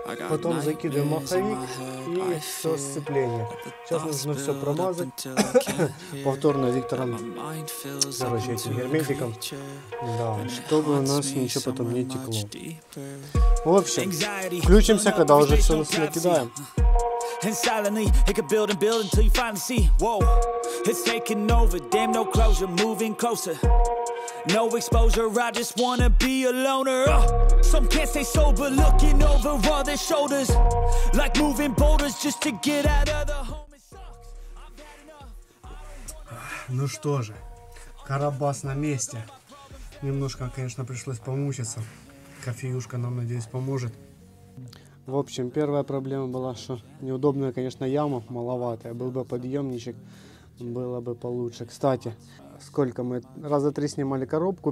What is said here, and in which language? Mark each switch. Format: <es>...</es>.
<ru>Потом закидываем маховик и все сцепление. Сейчас нужно все промазать повторно Виктором, короче, этим герметиком, да, чтобы у нас ничего потом не текло. В общем, включимся, когда уже все накидаем.</ru> <en>And silently, it could build and build until you finally see. Whoa, it's taking over. Damn, no closure, moving closer. No exposure, I just wanna be a loner. Some can't stay sober, looking over all their shoulders. Like moving boulders just to get out of the home. It sucks.</en> <ru>Ну что же, карабас на месте. Немножко, конечно, пришлось помучиться. Кофеюшка нам, надеюсь, поможет. В общем, первая проблема была, что неудобная, конечно, яма, маловатая. Был бы подъемничек, было бы получше. Кстати, сколько мы раза 3 снимали коробку.</ru>